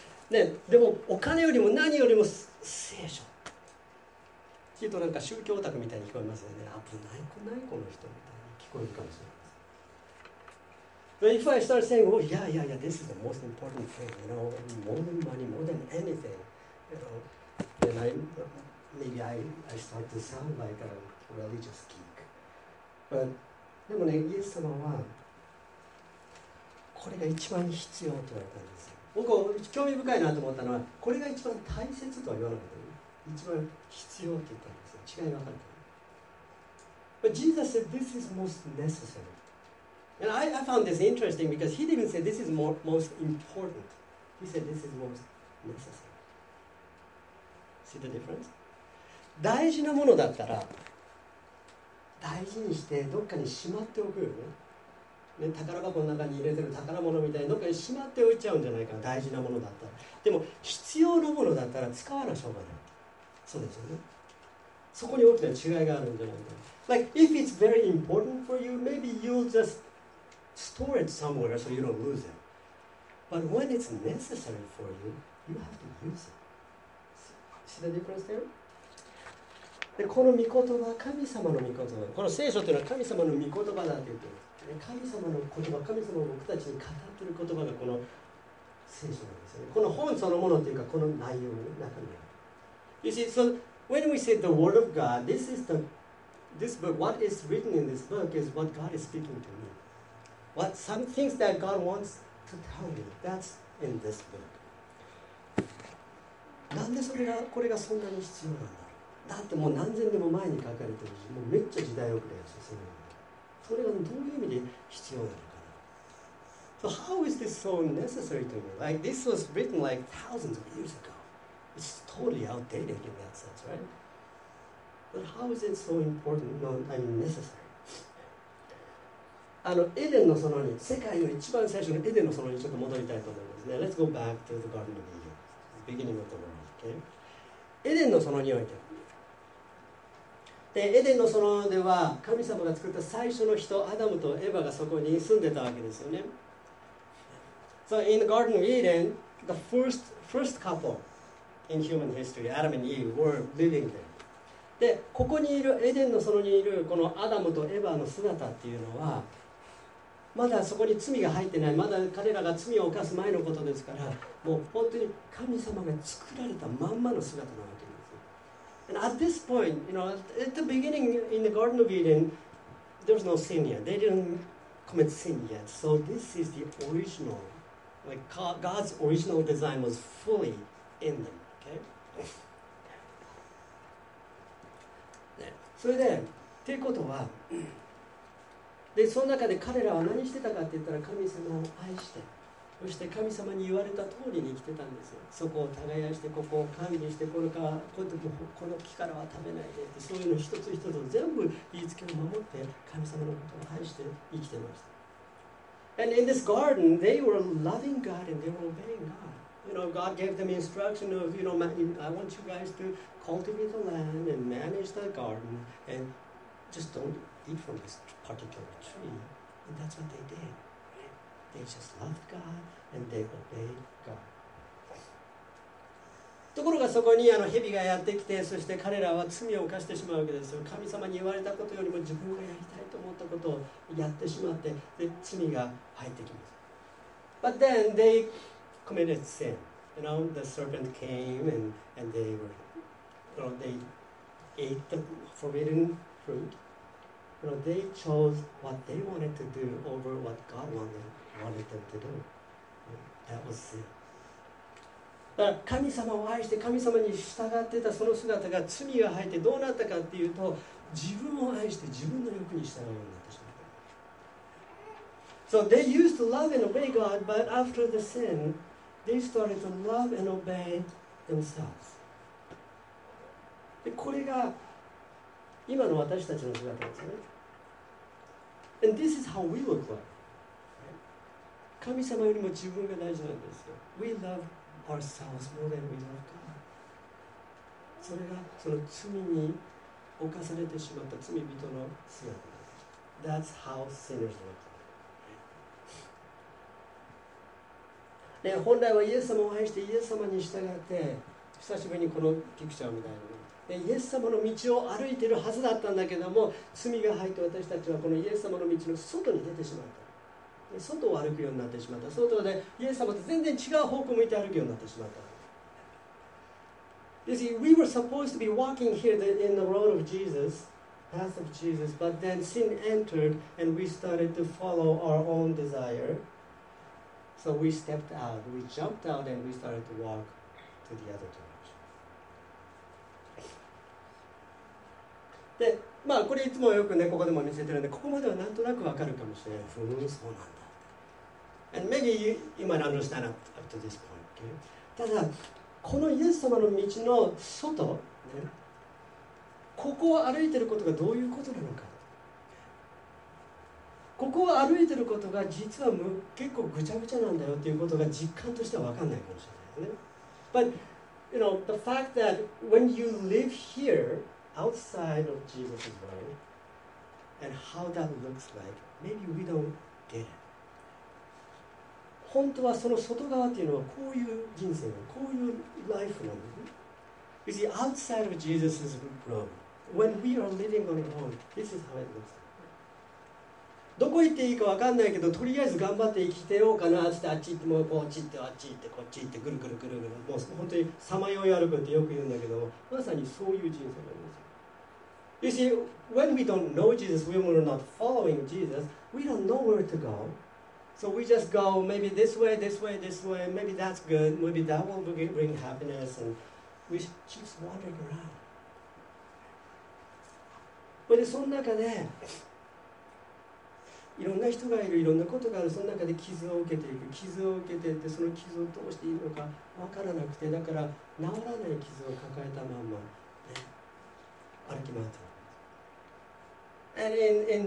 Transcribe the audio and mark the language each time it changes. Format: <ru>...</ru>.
<ja>ね、でも、お金よりも何よりも聖書。ちょっとなんか宗教オタクみたいに聞こえますよね。危ないくないこの人みたいに聞こえるかもしれません。</ja> <en>But if I start saying, oh, yeah, yeah, yeah, this is the most important thing, you know, more than money, more than anything, you know, then I start to sound like a religious geek.</en> <ja>But,でもね、イエス様はこれが一番必要と言われたんですよ。僕興味深いなと思ったのはこれが一番大切とは言わなかった、一番必要って言ったんですよ。違い分かった。</ja> <en>But Jesus said this is most necessary. And I found this interesting because he didn't say this is most important. He said this is most necessary. See the difference?</en> <ja>大事なものだったら大事にしてどっかにしまっておくよね。ね、宝箱の中に入れてる宝物みたいにどっかにしまっておいちゃうんじゃないかな。大事なものだったら。でも必要なものだったら使わなしょうがない。そうですよね。そこに大きな違いがあるんじゃないかな。</ja> <en>Like if it's very important for you, maybe you'll just store it somewhere so you don't lose it. But when it's necessary for you, you have to use it. See the difference there?</en> <ja>でこの御言葉は神様の御言葉、この聖書というのは神様の御言葉だって言ってます。神様の言葉、神様が僕たちに語っている言葉がこの聖書なんですよね。この本そのものというか、この内容の中にある。</ja> <en>You see, so when we say the word of God, this is the, this book, what is written in this book is what God is speaking to me. What some things that God wants to tell me, that's in this book.</en> <ja>なんでそれが、これがそんなに必要なんだ。だってもう何千年も前に書かれてるし、もうめっちゃ時代遅れやし、それがどういう意味で必要なのかな。</ja> <en>So how is this so necessary to me? Like this was written like thousands of years ago. It's totally outdated in that sense, right? But how is it so important? No, I mean necessary.</en> <ja>あのエデンの園に、世界の一番最初のエデンの園にちょっと戻りたいと思いますね。</ja> <en>Let's go back to the Garden of Eden, the beginning of the world, okay?</en> <ja>エデンの園においてエデンの園では神様が作った最初の人アダムとエヴァがそこに住んでたわけですよね。</ja> <en>So in the Garden of Eden, the first couple in human history, Adam and Eve, were living there.</en> <ja>で、ここにいるエデンの園にいるこのアダムとエヴァの姿っていうのはまだそこに罪が入ってない、まだ彼らが罪を犯す前のことですから、もう本当に神様が作られたまんまの姿なわけ。</ja> <en>And at this point, you know, at the beginning in the Garden of Eden, there's no sin yet. They didn't commit sin yet. So this is the original, like God's original design was fully in them. Okay.</en> <ja>それで、ということは、で、その中で彼らは何してたかって言ったら、神様を愛して、そして神様に言われた通りに生きてたんですよ。そこを耕して、ここを神にして、これからこうやってこの木からは食べないでって、そういうの一つ一つ全部言いつけを守って、神様のことを愛して生きてました。</ja> <en>And in this garden, they were loving God and they were obeying God. You know, God gave them instruction of, you know, I want you guys to cultivate the land and manage the garden and just don't eat from this particular tree. And that's what they did. They just loved God and they obeyed God.</en> <ja>ところがそこにあの蛇がやってきて、そして彼らは罪を犯してしまうわけですよ。神様に言われたことよりも自分がやりたいと思ったことをやってしまって、で罪が入ってきます。</ja> <en>But then they committed sin. You know, the serpent came and they were, you know, they ate the forbidden fruit. You know, they chose what they wanted to do over what God wanted them to do. That was sin.</en> <ja>だから神様を愛して神様に従ってたその姿が罪が入ってどうなったかっていうと、自分を愛して自分の欲に従うようになってしまった。</ja> <en>So they used to love and obey God, but after the sin, they started to love and obey themselves.</en> <ja>でこれが今の私たちの姿ですね。</ja> <en>And this is how we look like.</en> <ja>神様よりも自分が大事なんですよ。</ja> <en>We love ourselves more than we love God.</en> <ja>それがその罪に侵されてしまった罪人の姿です。</ja> <en>That's how sinners look.</en> <ja>ね、本来はイエス様を愛してイエス様に従って、久しぶりにこのピクチャーみたいな。でイエス様の道を歩いているはずだったんだけども、罪が入って私たちはこのイエス様の道の外に出てしまった。外を歩くようになってしまった。外でイエス様と全然違う方向を向いて歩くようになってしまった。</ja> <en>You see, we were supposed to be walking here in the road of Jesus, path of Jesus, but then sin entered and we started to follow our own desire. So we stepped out, we jumped out and we started to walk to the other direction.</en> <ja>で、まあこれいつもよくね、ここでも見せてるんで、ここまではなんとなくわかるかもしれない。ふん、そうなんだ。</ja> <en>And maybe you, you might understand up to this point.、Okay?</en> <ja>ただ、このイエス様の道の外、ね、ここを歩いてることがどういうことなのか。ここを歩いてることが実は結構ぐちゃぐちゃなんだよっていうことが実感としては分かんないかもしれないよね。</ja> <en>But, you know, the fact that when you live here outside of Jesus' way and how that looks like, maybe we don't get it.</en> <ja>本当はその外側っていうのはこういう人生の、こういうライフなんだよね。</ja> <en>You see, outside of Jesus' road, when we are living on our own, this is how it looks like.</en> <ja>どこ行っていいか分かんないけど、とりあえず頑張って生きてようかなって、あっち行って、もうこっち行って、あっち行って、こっち行って、ぐるぐるぐるぐる、もう本当にさまよい歩くってよく言うんだけど、まさにそういう人生なんですよ。</ja> <en>You see, when we don't know Jesus, we were not following Jesus, we don't know where to go. So we just go, maybe this way, this way, this way, maybe that's good, maybe that will bring happiness, and we keep wandering around.</en> <ja>But その中で、いろんな人がいる、いろんなことがある、その中で傷を受けていく、傷を受けていって、その傷を通していいのか分からなくて、だから治らない傷を抱えたまま、ね、歩き回っている。</ja>